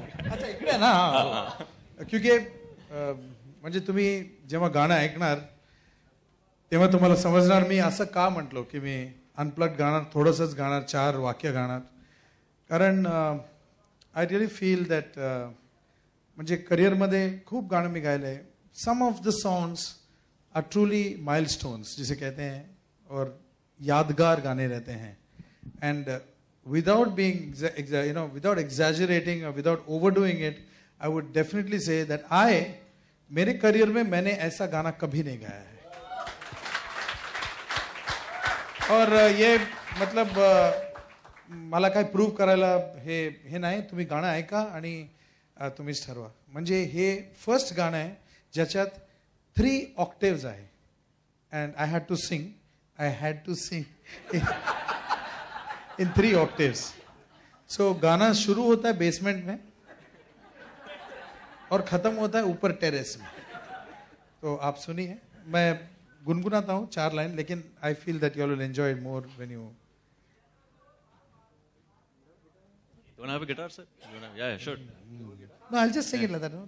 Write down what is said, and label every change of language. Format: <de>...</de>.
<mr>अच्छा इकडे ना, क्युकी म्हणजे तुम्ही जेव्हा गाणं ऐकणार तेव्हा तुम्हाला समजणार मी असं का म्हटलो की मी अनप्लग गाणार, थोडंसंच गाणार, चार वाक्य गाणार. कारण</mr> <en>I really feel that</en> <mr>म्हणजे करिअरमध्ये खूप गाणं मी गायलं आहे.</mr> <en>some of the songs are truly milestones</en> <hi>जिसे कहते हैं और यादगार गाने रहते हैं.</hi> <en>and without being you know without exaggerating without over doing it I would definitely say that I</en> <hi>मेरे करिअर में मैंने ऐसा गाना कभी नहीं गाया है. और ये</hi> <mr>मतलब मला काय प्रूव्ह करायला हे नाही, तुम्ही गाणं ऐका आणि तुम्हीच ठरवा. म्हणजे हे फर्स्ट गाणं आहे ज्याच्यात 3 ऑक्टेव्ज आहे</mr> <en>And I had to sing in 3 octaves.</en> <mr>So गाणं सुरू होत आहे बेसमेंट में और खतम होत आहे ऊपर टेरेस में.</mr> <hi>तो आप सुनिए, मैं गुनगुनाता हूँ 4 लाइन, लेकिन</hi> <en>I feel that you will enjoy it more when you Don't have a guitar, sir? Don't have, yeah, yeah, sure. No, I'll just sing it like that, no?</en>